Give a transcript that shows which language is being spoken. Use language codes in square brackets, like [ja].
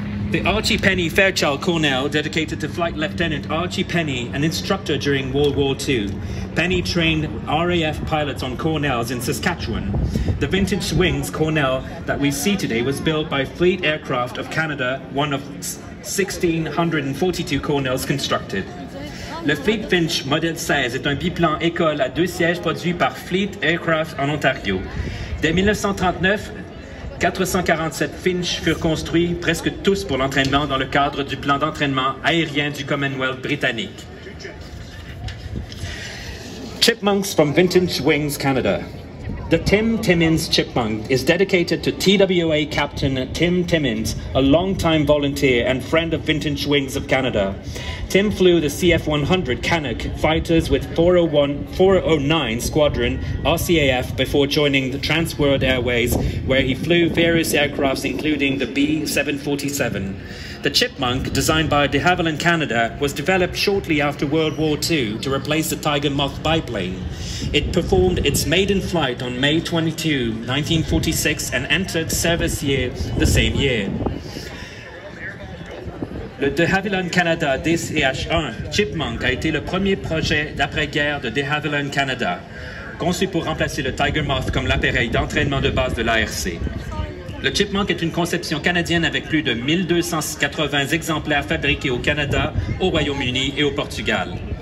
[en] The Archie Penny Fairchild Cornell, dedicated to Flight Lieutenant Archie Penny, an instructor during World War II. Penny trained RAF pilots on Cornells in Saskatchewan. The vintage wings Cornell that we see today was built by Fleet Aircraft of Canada, one of 1,642 Cornells constructed. [fr] Le Fleet Finch Model 16 est un biplan école à deux sièges produit par Fleet Aircraft en Ontario. Dès 1939, 447 Finch furent construits, presque tous pour l'entraînement dans le cadre du plan d'entraînement aérien du Commonwealth britannique. [en] Chipmunks from Vintage Wings Canada. The Tim Timmins Chipmunk is dedicated to TWA Captain Tim Timmins, a longtime volunteer and friend of Vintage Wings of Canada. Tim flew the CF-100 Canuck fighters with 409 Squadron RCAF before joining the Transworld Airways, where he flew various aircrafts, including the B-747. The Chipmunk, designed by de Havilland Canada, was developed shortly after World War II to replace the Tiger Moth biplane. It performed its maiden flight on May 22, 1946, and entered service year the same year. [fr] Le de Havilland Canada DCH-1 Chipmunk a été le premier projet d'après-guerre de de Havilland Canada, conçu pour remplacer le Tiger Moth comme l'appareil d'entraînement de base de l'ARC. Le Chipmunk est une conception canadienne avec plus de 1280 exemplaires fabriqués au Canada, au Royaume-Uni et au Portugal.